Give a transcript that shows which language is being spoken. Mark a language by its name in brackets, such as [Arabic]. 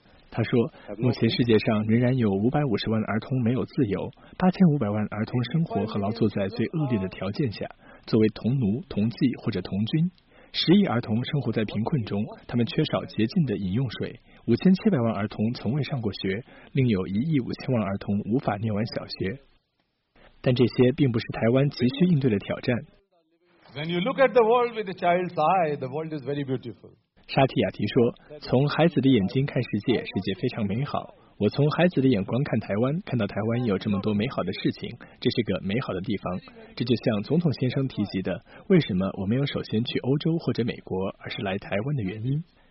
[Chinese] 他说，目前世界上仍然有550万儿童没有自由，8500万儿童生活和劳作在最恶劣的条件下，作为童奴、童妓或者童军，10亿儿童生活在贫困中，他们缺少洁净的饮用水，5700万儿童从未上过学，另有1亿5000万儿童无法念完小学。但这些并不是台湾急需应对的挑战。 [English] When you look at the world with a child's eye, the world is very beautiful。 [Chinese] 沙提亚提说，从孩子的眼睛看世界，世界非常美好。我从孩子的眼光看台湾，看到台湾有这么多美好的事情，这是个美好的地方。这就像总统先生提及的，为什么我没有首先去欧洲或者美国，而是来台湾的原因。